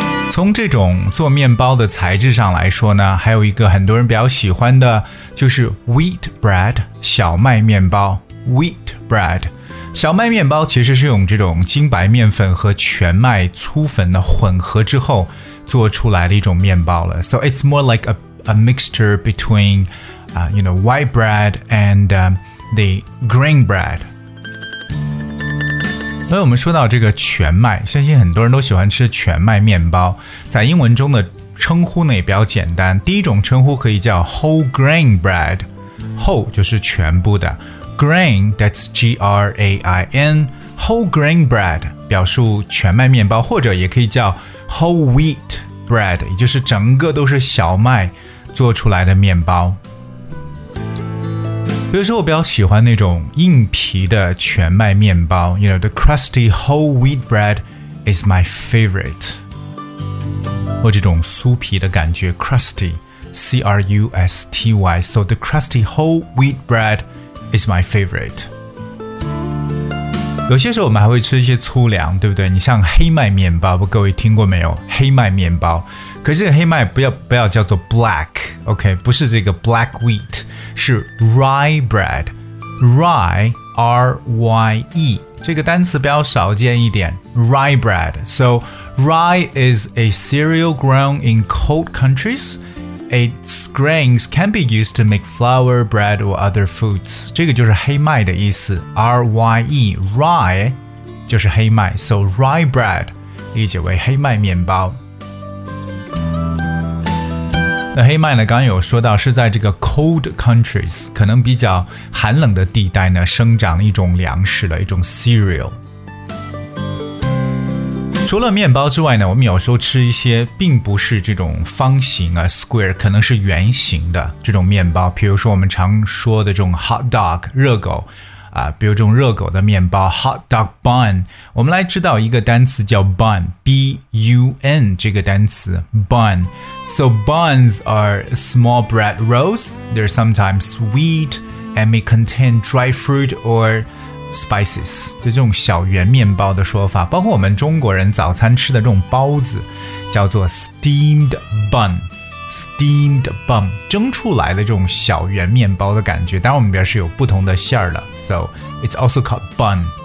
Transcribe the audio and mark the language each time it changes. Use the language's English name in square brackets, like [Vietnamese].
[Chinese] 从这种做面包的材质上来说呢，还有一个很多人比较喜欢的就是 wheat bread， 小麦面包。 wheat bread， 小麦面包其实是用这种精白面粉和全麦粗粉的混合之后做出来的一种面包了。 [English] So it's more like a mixture between you know, white bread and the grain bread。 [Chinese] 所以我们说到这个全麦，相信很多人都喜欢吃全麦面包。在英文中的称呼呢也比较简单，第一种称呼可以叫 whole grain bread， whole 就是全部的， grain that's G-R-A-I-N， whole grain bread 表述全麦面包，或者也可以叫 whole wheat bread， 也就是整个都是小麦做出来的面包。比如说我比较喜欢那种硬皮的全麦面包， [English] You know, the crusty whole wheat bread is my favorite. [Chinese] 或这种酥皮的感觉， crusty, C-R-U-S-T-Y. [English] So the crusty whole wheat bread is my favorite. [Chinese] 有些时候我们还会吃一些粗粮，对不对？你像黑麦面包，各位听过没有？黑麦面包，可是黑麦不要叫做 black, OK, 不是这个 black wheat. 是 rye bread， rye r y e 这个单词比较少见一点， rye bread。 [English] So rye is a cereal grown in cold countries. Its grains can be used to make flour, bread or other foods. [Chinese] 这个就是黑麦的意思， rye， rye 就是黑麦。 So rye bread 理解为黑麦面包。那黑麦呢刚刚有说到是在这个 cold countries 可能比较寒冷的地带呢生长一种粮食的一种 cereal。除了面包之外呢我们有时候吃一些并不是这种方形啊 square 可能是圆形的这种面包，比如说我们常说的这种 hot dog 热狗啊，比如这种热狗的面包 hot dog bun。我们来知道一个单词叫 bun B-U-N 这个单词 bun。 [English] So buns are small bread rolls. They're sometimes sweet and may contain dry fruit or spices. [Chinese] 就这种小圆面包的说法，包括我们中国人早餐吃的这种包子叫做 steamed bunSteamed bun 蒸出来的这种小圆面包的感觉，当然我们表示有不同的馅儿了 [English] So it's also called bun。